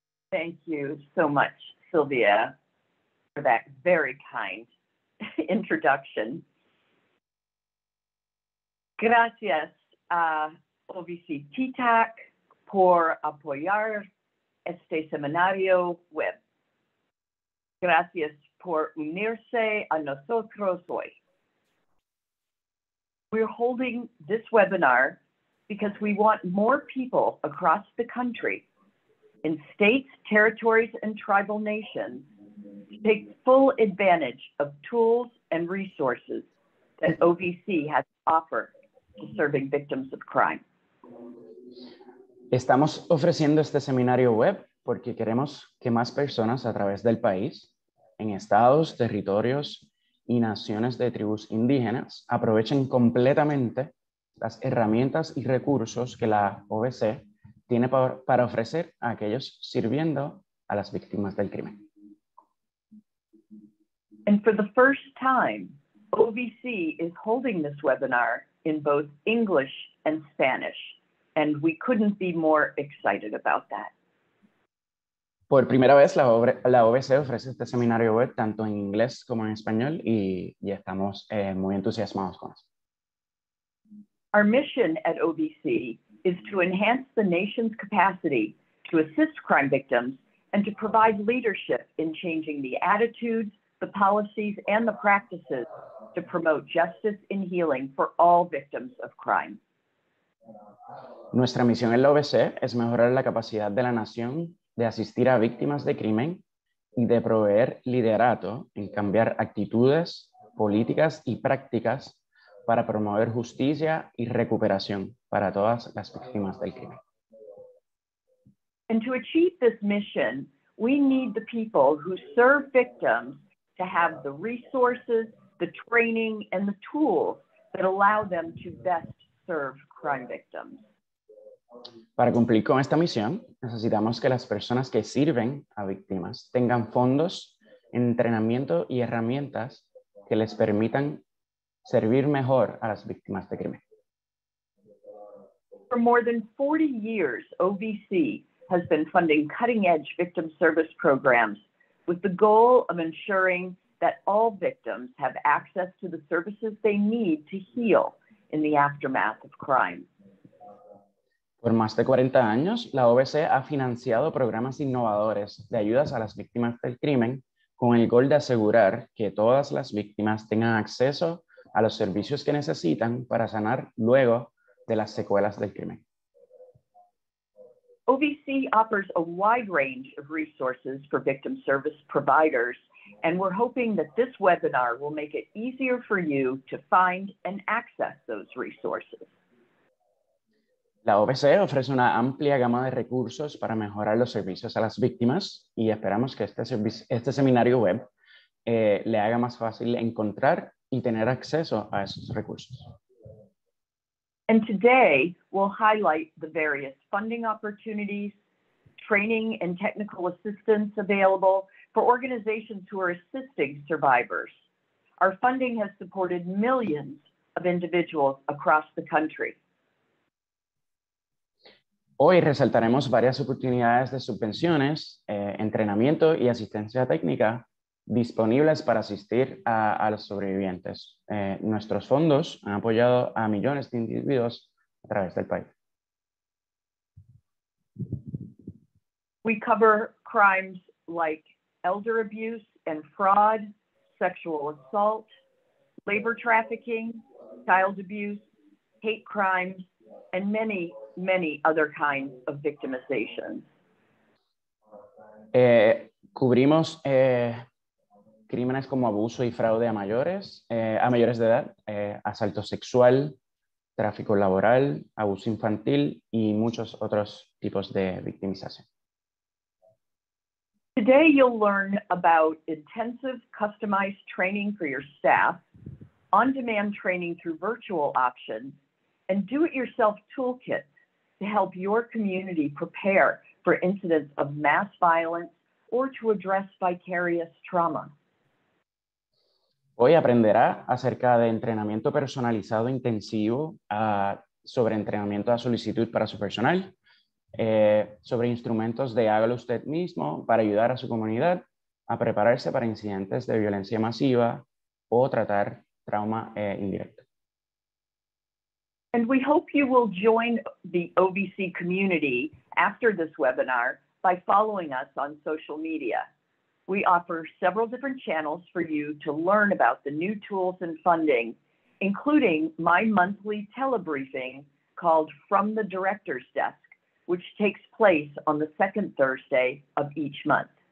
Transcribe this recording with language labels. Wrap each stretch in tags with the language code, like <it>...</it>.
<en>Thank you so much, Sylvia, for that very kind introduction.</en> <es>Gracias, OVC TITAC, por apoyar este seminario web. Gracias por unirse a nosotros hoy.</es> <en>We're holding this webinar because we want more people across the country, in states, territories, and tribal nations, to take full advantage of tools and resources that OVC has to offer to serving victims of crime.</en> <es>Estamos ofreciendo este seminario web porque queremos que más personas a través del país, en estados, territorios y naciones de tribus indígenas, aprovechen completamente las herramientas y recursos que la OVC tiene para ofrecer a aquellos sirviendo a las víctimas del crimen.</es> <en>And for the first time, OVC is holding this webinar in both English and Spanish, and we couldn't be more excited about that.</en> <es>Por primera vez, la OVC ofrece este seminario web tanto en inglés como en español, y estamos muy entusiasmados con eso.</es> <en>Our mission at OVC is to enhance the nation's capacity to assist crime victims and to provide leadership in changing the attitudes, the policies, and the practices to promote justice and healing for all victims of crime.</en> <es>Nuestra misión en la OVC es mejorar la capacidad de la nación de asistir a víctimas de crimen y de proveer liderato en cambiar actitudes, políticas y prácticas para promover justicia y recuperación para todas las víctimas del crimen.</es> <en>And to achieve this mission, we need the people who serve victims to have the resources, the training, and the tools that allow them to best serve crime victims.</en> <es>Para cumplir con esta misión, necesitamos que las personas que sirven a víctimas tengan fondos, entrenamiento y herramientas que les permitan servir mejor a las víctimas de crimen.</es> <en>For more than 40 years, OVC has been funding cutting-edge victim service programs with the goal of ensuring that all victims have access to the services they need to heal in the aftermath of crime.</en> <es>Por más de 40 años, la OVC ha financiado programas innovadores de ayudas a las víctimas del crimen con el gol de asegurar que todas las víctimas tengan acceso a los servicios que necesitan para sanar luego de las secuelas del crimen.</es> <en>OVC offers a wide range of resources for victim service providers, and we're hoping that this webinar will make it easier for you to find and access those resources.</en> <es>La OVC ofrece una amplia gama de recursos para mejorar los servicios a las víctimas y esperamos que este seminario web le haga más fácil encontrar y tener acceso a esos recursos.</es> <en>And today, we'll highlight the various funding opportunities, training and technical assistance available for organizations who are assisting survivors. Our funding has supported millions of individuals across the country.</en> <es>Hoy resaltaremos varias oportunidades de subvenciones, entrenamiento y asistencia técnica disponibles para asistir a los sobrevivientes. Nuestros fondos han apoyado a millones de individuos a través del país.</es> <en>We cover crimes like elder abuse and fraud, sexual assault, labor trafficking, child abuse, hate crimes, and many other kinds of victimization.</en> <es>Cubrimos crímenes como abuso y fraude a mayores de edad, asalto sexual, tráfico laboral, abuso infantil y muchos otros tipos de victimización.</es> <en>Today you'll learn about intensive customized training for your staff, on-demand training through virtual options, and do-it-yourself toolkits to help your community prepare for incidents of mass violence or to address vicarious trauma.</en> <es>Hoy aprenderá acerca de entrenamiento personalizado intensivo, sobre entrenamiento a solicitud para su personal, sobre instrumentos de hágalo usted mismo para ayudar a su comunidad a prepararse para incidentes de violencia masiva o tratar trauma indirecto.</es> <en>And we hope you will join the OVC community after this webinar by following us on social media. We offer several different channels for you to learn about the new tools and funding, including my monthly telebriefing called From the Director's Desk, which takes place on the second Thursday of each month.</en>